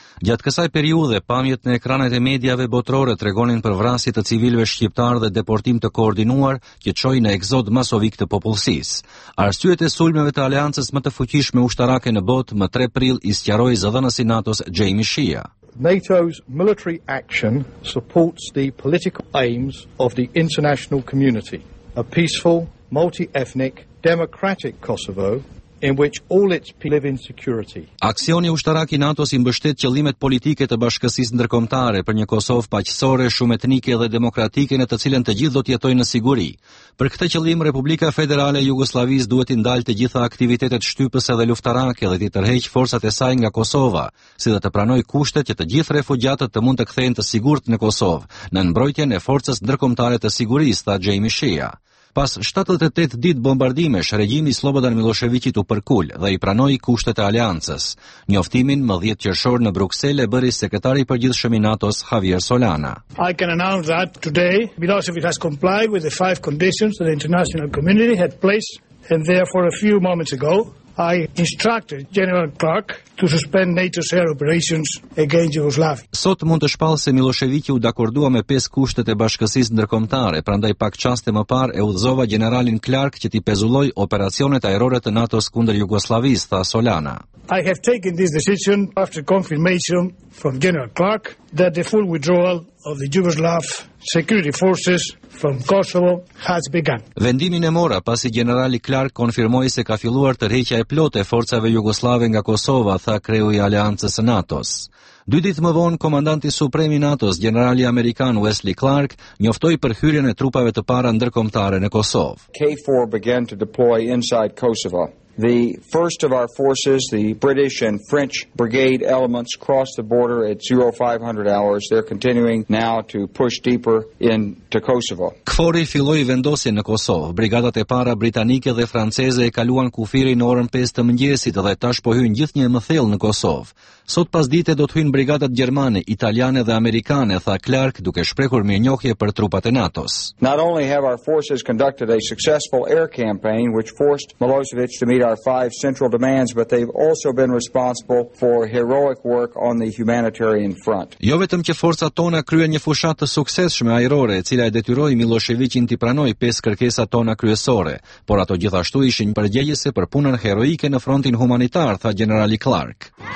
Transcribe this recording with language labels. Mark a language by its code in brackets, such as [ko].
[sq] Gjatë kësaj periudhe, pamjet në ekranet e mediave botërore tregonin për vrasje të civilëve shqiptar dhe deportim të koordinuar që çoi në ekzod masovik të popullsisë. Arsyet e sulmeve të aleancës më të fuqishme ushtarake në botë më 3 prill i sqaroi zëdhënësi NATO-s Jamie Shea. [en] NATO's military action supports the political aims of the international community, a peaceful, multi-ethnic, democratic Kosovo in which all its people live in security. [sq] Aksioni ushtarak i NATO-s i mbështet qëllimet politike të bashkësisë ndërkombëtare për një Kosovë paqësore, shumë etnike dhe demokratike në të cilën të gjithë do të jetojnë në siguri. Për këtë qëllim Republika Federale e Jugosllavisë duhet të ndalë të gjitha aktivitetet shtypëse dhe luftarake dhe të tërheqë forcat e saj nga Kosova, si dhe të pranojë kushtet që të gjithë refugjatët të mund të kthehen të sigurt në Kosovë, në mbrojtjen e forcës ndërkombëtare të sigurisë, tha Jamie Shea. Pas 78 ditë bombardimesh, regjimi Slobodan Miloševićit u përkul dhe i pranoi kushtet e aleancës. Njoftimin më 10 qershor në Bruksel e bëri sekretari i përgjithshëm i NATO-s Javier Solana. [en] I can announce that today Milosevic has complied with the five conditions that the international community had placed, and therefore a few moments ago I instructed General Clark to suspend NATO's air operations against Yugoslavia. [sq] Sot mund të shpallë se Miloševiqi u dakordua me 5 kushtet e bashkësisë ndërkombëtare, prandaj pak çaste më parë e udhëzova Generalin Clark që t'i pezulloj operacionet ajrore të NATO-s kundër Jugosllavisë, tha Solana. [en] I have taken this decision after confirmation from General Clark that the full withdrawal of the Yugoslav security forces from Kosovo has begun. [sq] Vendimin e mora pasi Generali Clark konfirmoi se ka filluar tërheqja e plotë forcave jugoslave nga Kosova, tha kreu i aleancës së NATO-s. Dy ditë më vonë, komandanti suprem i NATO-s, generali amerikan Wesley Clark, njoftoi për hyrjen e trupave të para ndërkombëtare në Kosovë. [en] KFOR began to deploy inside Kosovo. The first of our forces, the British and French brigade elements, crossed the border at 0500 hours. They're continuing now to push deeper into Kosovo. [sq] KFOR-i filloi vendosjen në Kosovë. Brigadat e para britanike dhe franceze e kaluan kufirin në orën 5 të mëngjesit dhe tash po hyjnë gjithnjë më thellë në Kosovë. Sot pasdite do të hyjnë brigadat gjermane, italiane dhe amerikane, tha Clark, duke shprehur mirënjohje për trupat e NATO-s. [en] Not only have our forces conducted a successful air campaign which forced Milosevic to meet our five central demands, but they've also been responsible for heroic work on the humanitarian front. [sq] Jo vetëm që forcat tona kryen një fushatë të suksesshme ajrore, e cila e detyroi Miloševićin të pranojë pesë kërkesat tona kryesore, por ato gjithashtu ishin përgjegjëse për punën heroike në frontin humanitar, tha Generali Clark.